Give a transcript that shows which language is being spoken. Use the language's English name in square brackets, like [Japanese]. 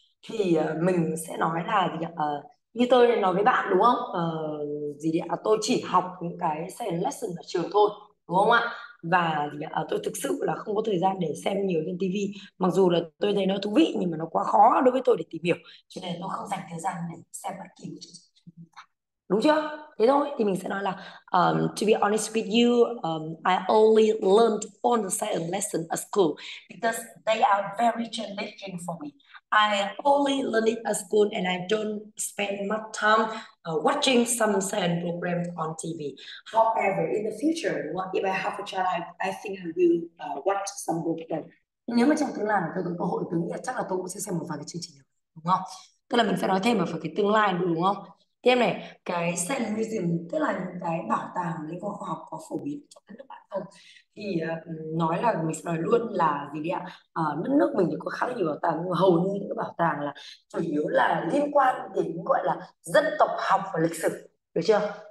[Vietnamese] Thì mình sẽ nói là gì, như tôi nói với bạn đúng không, gì đấy, tôi chỉ học những cái xem lesson ở trường thôi đúng không ạ, và tôi thực sự là không có thời gian để xem nhiều trên TV, mặc dù là tôi thấy nó thú vị nhưng mà nó quá khó đối với tôi để tìm hiểu, cho nên tôi không dành thời gian để xem bất kỳ đúng chưa. Thế thôi thì mình sẽ nói là [English] to be honest with you, I only learned all the science lesson at school because they are very challenging for me. I only learn it at school and I don't spend much time watching some science programs on TV. However, in the future, what if I have a child, I think I will watch some program. [Vietnamese] Nếu mà trong tương lai tôi có cơ hội, tôi nghĩ là chắc là tôi cũng sẽ xem một vài cái chương trình đúng không? Tức là mình sẽ nói thêm về cái tương lai đúng không? Thế này, cái science museum tức là những cái bảo tàng liên quan khoa học có phổ biến cho các nước bạn không? Thì nói là mình sẽ nói luôn là gì đấy ạ, đất nước mình thì có khá là nhiều bảo tàng, nhưng mà hầu như những cái bảo tàng là chủ yếu là liên quan đến gọi là dân tộc học và lịch sử, được chưa?